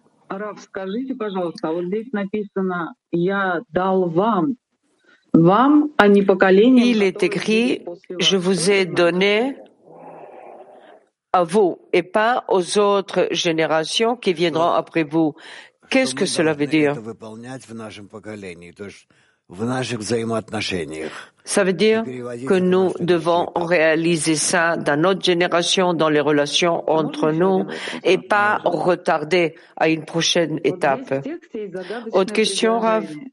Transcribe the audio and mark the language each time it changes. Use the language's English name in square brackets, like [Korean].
[Russian] Раф, скажите, пожалуйста, вот здесь написано «Я дал вам, вам, а не поколение». [French] Il est écrit «Je vous ai donné à vous et pas aux autres générations qui viendront après vous». Qu'est-ce que cela veut dire? [Russian] Это выполнять в нашем поколении, то есть в наших взаимоотношениях. [French] Ça veut dire que nous devons réaliser ça dans notre génération, dans les relations entre nous, et pas retarder à une prochaine étape. Autre question, Rav?